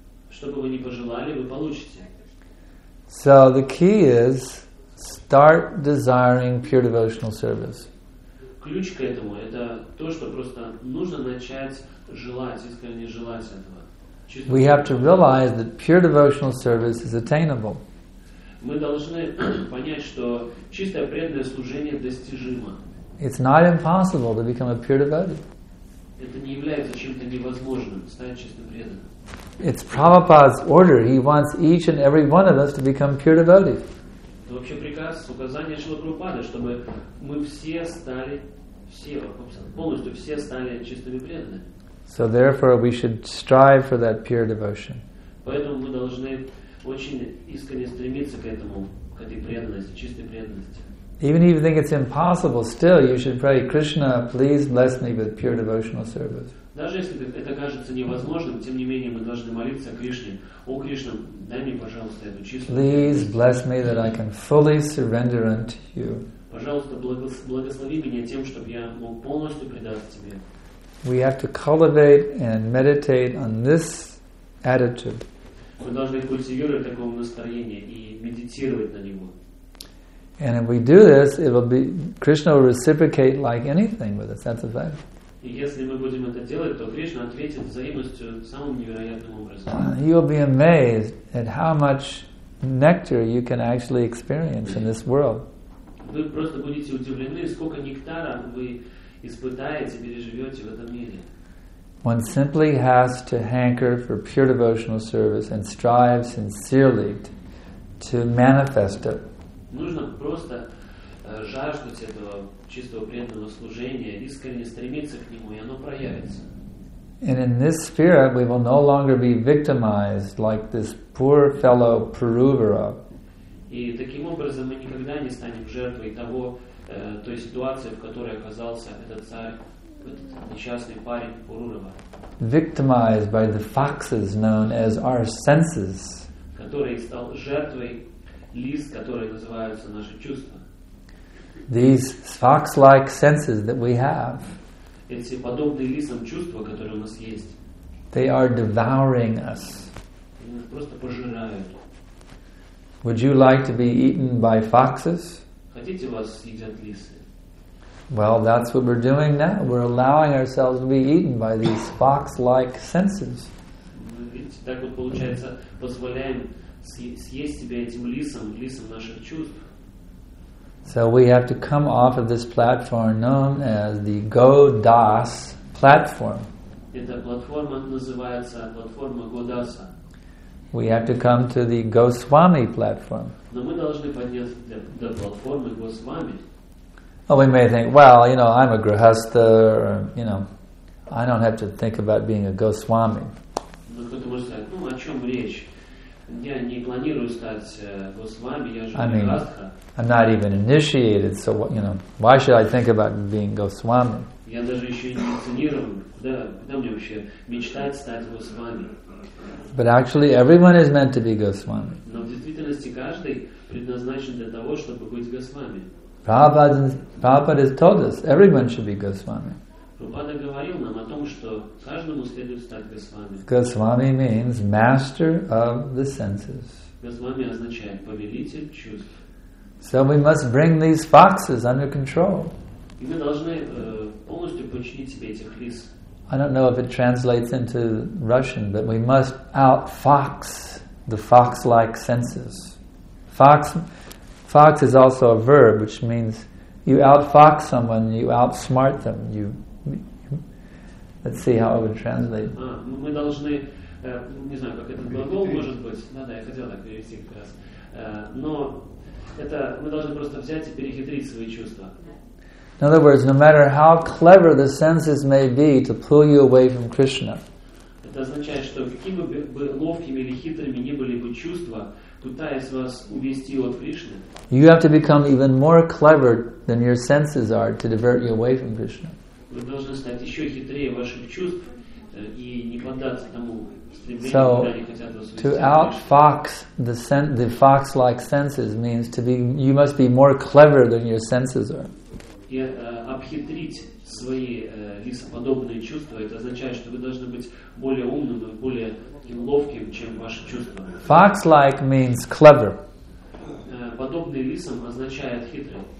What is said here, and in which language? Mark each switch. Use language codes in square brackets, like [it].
[ru] Что бы вы ни пожелали, вы получите. [en] So the key is start desiring pure devotional service. [ru] Ключ к этому – это то, что просто нужно начать желать, искренне желать этого. [en] We have to realize that pure devotional service is attainable. [ru] Мы должны понять, что чистое преданное служение достижимо. [en] It's not impossible to become a pure devotee. [ru] Это не является чем-то невозможным стать чистым преданным. [en] It's Prabhupada's order. He wants each and every one of us to become pure devotees. [ru] Это вообще приказ, указание Шрила Прабхупады, чтобы мы все стали полностью все стали чистыми преданными. [en] So therefore, we should strive for that pure devotion. [ru] Поэтому мы должны очень искренне стремиться к этому, к этой преданности, чистой преданности. [en] Even if you think it's impossible, still you should pray, Krishna, please bless me with pure devotional service. [ru] Даже если это кажется невозможным, тем не менее мы должны молиться Кришне. О Кришна, дай мне, пожалуйста, эту чистую. [en] Please bless me that I can fully surrender unto you. [ru] Пожалуйста, благослови меня тем, чтобы я мог полностью предаться тебе. [en] We have to cultivate and meditate on this attitude. [ru] Мы должны культивировать такое настроение и медитировать на него. [en] And if we do this, it will be Krishna will reciprocate like anything with us. That's a fact. [ru] Если мы будем это делать, то Кришна ответит взаимностью самым невероятным образом. [en] You will be amazed at how much nectar you can actually experience in this world. [ru] Вы просто будете удивлены, сколько нектара вы испытаете, переживете в этом мире. [en] One simply has to hanker for pure devotional service and strive sincerely to manifest it. [ru] Нужно просто жаждать этого чистого преданного служения, искренне стремиться к нему, и оно проявится. [en] And in this sphere we will no longer be victimized like this poor fellow Puruvara. [ru] И таким образом мы никогда не станем жертвой того, той ситуации, в которой оказался этот царь, этот несчастный парень Пурурава. [en] Victimized by the foxes known as our senses. [ru] Который стал жертвой лис, которые называются наши чувства. [en] These fox-like senses that we have, [ru] эти подобные лисам чувства, которые у нас есть, [en] they are devouring us. [ru] Они нас просто пожирают. [en] Would you like to be eaten by foxes? [ru] Хотите вас едят лисы? [en] Well, that's what we're doing now. We're allowing ourselves to be eaten by these fox-like senses. [ru] Мы, видите, так вот получается, позволяем съесть себя этим лисом, лисом наших чувств. [en] So we have to come off of this platform known as the Godas platform. [ru] Эта платформа называется платформа Годаса. [en] We have to come to the Goswami platform. [ru] Но мы должны подняться до платформы Госвами. [en] Oh, we may think, well, you know, I'm a grihastha, or, you know, I don't have to think about being a Goswami. [ru] Но кто-то может сказать, ну о чем речь? Я не планирую стать Госвами, я же грихастха. [en] I'm not even initiated, so what, you know, why should I think about being Goswami? [ru] Я даже еще не инициирован. Куда мне вообще мечтать стать Госвами? [en] But actually, everyone is meant to be Goswami. [ru] Но в действительности каждый предназначен для того, чтобы быть Госвами. [en] Prabhupada has told us everyone should be Goswami. [ru] Prabhupada говорил нам о том, что каждому следует стать Госвами. [en] Goswami means master of the senses. [ru] Госвами означает повелитель чувств. [en] So we must bring these foxes under control. [ru] И мы должны полностью подчинить себе этих лис. [en] I don't know if it translates into Russian, but we must outfox the fox-like senses. Fox is also a verb, which means you outfox someone, you outsmart them. Let's see how it would translate. [ru] Мы должны, не знаю, как этот глагол может быть. Да, я хотел так перевести как раз. Но это мы должны просто взять и перехитрить свои чувства. [en] In other words, no matter how clever the senses may be to pull you away from Krishna, [ru] это означает, что какими бы ловкими или хитрыми ни были бы чувства, пытаясь вас увести от Кришны, [en] you have to become even more clever than your senses are to divert you away from Krishna. [ru] Вы должны стать еще хитрее ваших чувств и не поддаться тому стремлению, куда они хотят вас увести. [en] So, to outfox the fox-like senses means to be, you must be more clever than your senses are. [ru] И обхитрить свои лисоподобные чувства, это означает, что вы должны быть более умным и более ловким, чем ваши чувства. [en] Fox-like means clever. [ru] Подобный лисам означает хитрый.